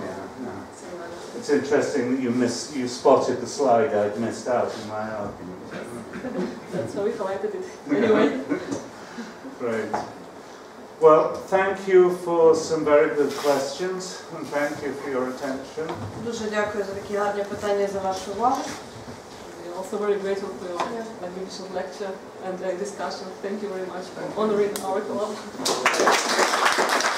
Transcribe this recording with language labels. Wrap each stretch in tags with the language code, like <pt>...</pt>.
<en>Yeah. It's interesting that you spotted the slide I'd missed out in my argument. That's how we collected it anyway. Great. Well, thank you for some very good questions, and thank you for your attention.</en> <uk>Дуже дякую за такі гарні питання, за вашу увагу.</uk> <en>Also very grateful for your magnificent lecture and discussion. Thank you very much for honoring our club.</en>